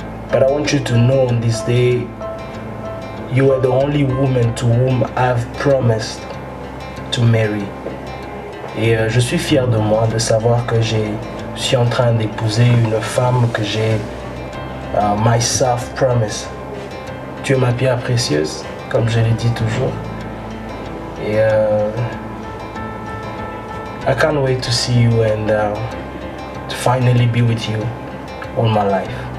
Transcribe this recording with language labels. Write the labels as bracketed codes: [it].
[en] But I want you to know on this day, you are the only woman to whom I've promised to marry. [fr] Et je suis fier de moi de savoir que je suis en train d'épouser une femme que j'ai [en] myself promised. [fr] Tu es ma pierre précieuse, comme je l'ai dit toujours. [en] Et I can't wait to see you and to finally be with you all my life.